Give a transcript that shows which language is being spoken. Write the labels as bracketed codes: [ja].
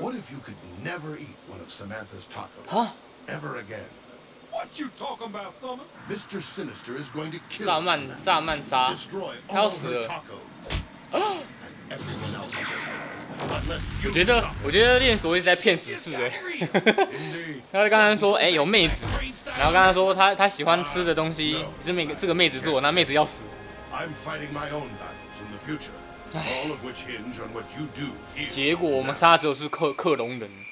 [en] What if you could never eat one of Samantha's tacos ever again? What you talking about, Thumber? Mr. Sinister is going to kill Samantha. Samantha, destroy all her tacos. And everyone else on this planet. Unless you stop. [zh] 我觉得练所谓是在骗死侍哎。他刚刚说哎有妹子，然后刚刚说他喜欢吃的东西是个妹子做，那妹子要死。 [en] I'm fighting my own battles in the future. All of which hinge on what you do here. [zh] 结果我们杀的只有是克隆人。